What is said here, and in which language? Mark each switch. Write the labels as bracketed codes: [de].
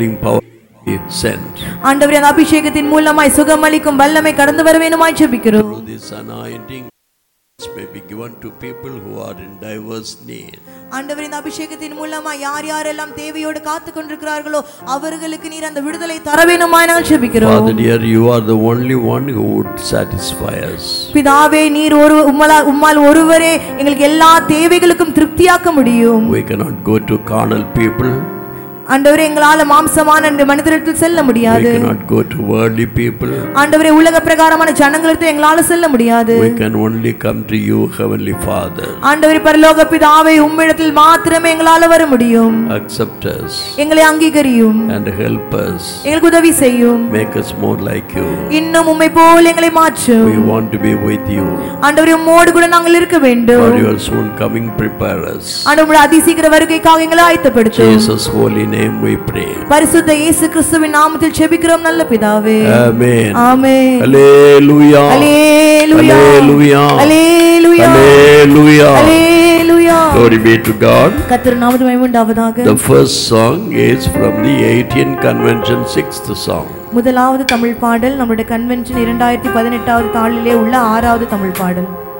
[ta] அபிஷேகத்தின் மூலமாய் சுகம் அளிக்கும் வல்லமை கடந்து வர வேண்டுமாய் ஜெபிக்கிறோம். [en] May be given to people who are in diverse need. [ta] ஆண்டவரின் அபிஷேகத்தின் மூலமா யார் யாரெல்லாம் தேவையோடு காத்துக் கொண்டிருக்கிறார்களோ அவர்களுக்கு நீர் அந்த விடுதலை தர வேண்டுமாய் நாங்கள் ஜெபிக்கிறோம். [en] Father dear, you are the only one who would satisfy us. [ta] பிதாவே, நீர் ஒரு உம்மால் ஒருவரே எங்களுக்கு எல்லா தேவைகளுக்கும் திருப்தியாக்க முடியும். [en] We cannot go to carnal people. [ta] ஆண்டவரே, எங்களால மாம்சமான மனிதர்களிடத்தில் செல்ல முடியாது. [en] We cannot go to worldly people. [ta] ஆண்டவரே, உலக பிரகாரமான ஜனங்களிடத்தில் எங்களால செல்ல முடியாது. [en] We can only come to you, heavenly Father. [ta] ஆண்டவரே, பரலோக பிதாவே, உம்மிடத்தில் மாத்திரமே எங்களால வர முடியும். [en] Accept us. [ta] எங்களை அங்கீகரியும். [en] And help us. [ta] எங்களுக்கு உதவி செய்யும். [en] Make us more like you. [ta] இன்னும் உம்மை போல் எங்களை மாற்றும். [en] We want to be with you. [ta] ஆண்டவரே, உம்மோடு கூட நாங்கள் இருக்க வேண்டும். [en] For your soon coming, prepare us. [ta] ஆண்டவரே, அதிசீக்கிர வருகைக்காக எங்களை ஆயத்தப்படுத்தும். [en] Jesus holy name we pray. [ta] பரிசுத்த இயேசு கிறிஸ்துவின் நாமத்தில் ஜெபிக்கிறோம் நல்ல பிதாவே. ஆமென். ஆமென். அல்லேலூயா. அல்லேலூயா. அல்லேலூயா. அல்லேலூயா. அல்லேலூயா. அல்லேலூயா. [en] Glory be to God. [ta] கர்த்தர் நாமத்தை மகிமைப்படுத்துவதாக. [en] The first song is from the 18th convention 6th song. [ta] முதலாவது தமிழ் பாடல் நம்முடைய கன்வென்ஷன் 2018 தாளிலே உள்ள 6th தமிழ் பாடல்.